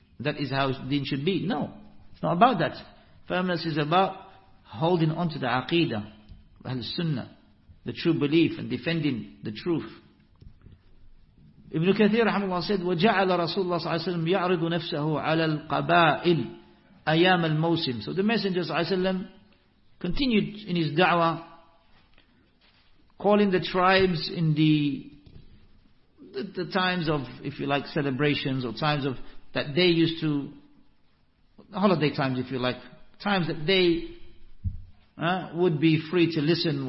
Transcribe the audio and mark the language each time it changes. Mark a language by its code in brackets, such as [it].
[en] That is how deen should be. No, it's not about that. Firmness is about holding on to the aqeedah, the sunnah, the true belief, and defending the truth. Ibn Kathir rahimahullah said, [ar] وَجَعَلَ رَسُولُ اللَّهِ صَلَّى اللَّهُ عَلَيْهِ وَسَلَّمَ يَعْرِضُ نَفْسَهُ عَلَى الْقَبَائِلِ أَيَامَ الْمَوْسِمِ. [en] So the Messenger sallallahu alayhi wa sallam continued in his da'wah, calling the tribes in the times of, if you like, celebrations or times of that they used to, holiday times if you like, times that they would be free to listen.